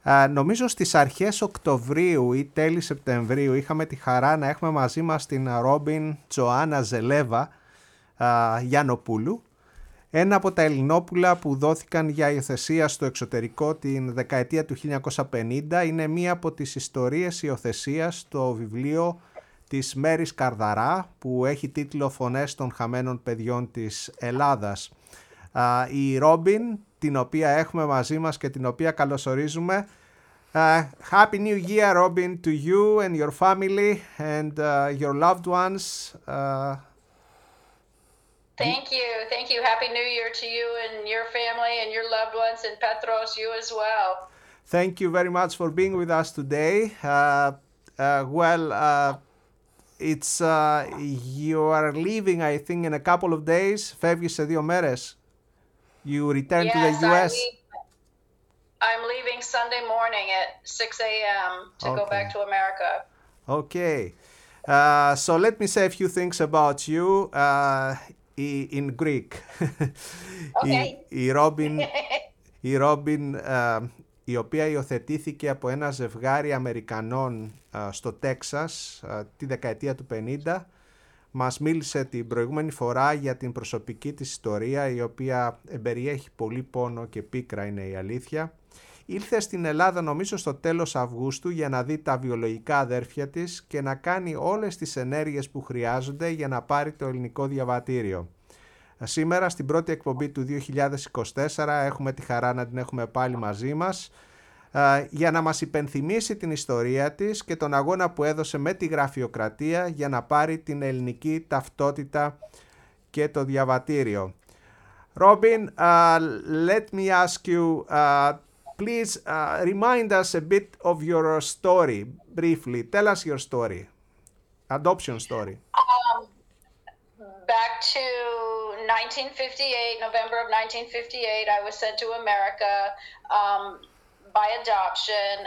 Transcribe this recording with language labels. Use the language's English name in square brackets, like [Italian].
[Greek] Νομίζω στις αρχές Οκτωβρίου ή τέλη Σεπτεμβρίου είχαμε τη χαρά να έχουμε μαζί μας την Ρόμπιν Τζοάννα Ζελέβα Γιαννοπούλου, ένα από τα Ελληνόπουλα που δόθηκαν για υιοθεσία στο εξωτερικό την δεκαετία του 1950. Είναι μία από τις ιστορίες υιοθεσίας στο βιβλίο της Μέρης Καρδαρά, που έχει τίτλο «Φωνές των χαμένων παιδιών της Ελλάδας». Η Ρόμπιν, την οποία έχουμε μαζί μας και την οποία καλωσορίζουμε. [English] Happy New Year, Ρόμπιν, to you and your family and your loved ones. Thank you. Happy New Year to you and your family and your loved ones, and Petros, you as well. Thank you very much for being with us today. It's you are leaving, I think, in a couple of days. [Greek] Φεύγεις σε δύο μέρες. [English] You return to the US. I'm leaving Sunday morning at 6 a.m. to go back to America. Okay. So let me say a few things about you in Greek. Okay. [Greek] Η Ρόμπιν, η οποία υιοθετήθηκε από ένα ζευγάρι Αμερικανών στο Τέξας τη δεκαετία του 50, μας μίλησε την προηγούμενη φορά για την προσωπική της ιστορία, η οποία εμπεριέχει πολύ πόνο και πίκρα, είναι η αλήθεια. Ήλθε στην Ελλάδα νομίζω στο τέλος Αυγούστου για να δει τα βιολογικά αδέρφια της και να κάνει όλες τις ενέργειες που χρειάζονται για να πάρει το ελληνικό διαβατήριο. Σήμερα στην πρώτη εκπομπή του 2024 έχουμε τη χαρά να την έχουμε πάλι μαζί μας για να μας υπενθυμίσει την ιστορία της και τον αγώνα που έδωσε με τη γραφειοκρατία για να πάρει την ελληνική ταυτότητα και το διαβατήριο. [English] Ρόμπιν, let me ask you, please remind us a bit of your story, briefly. Tell us your story, adoption story. Back to 1958, November of 1958, I was sent to America by adoption.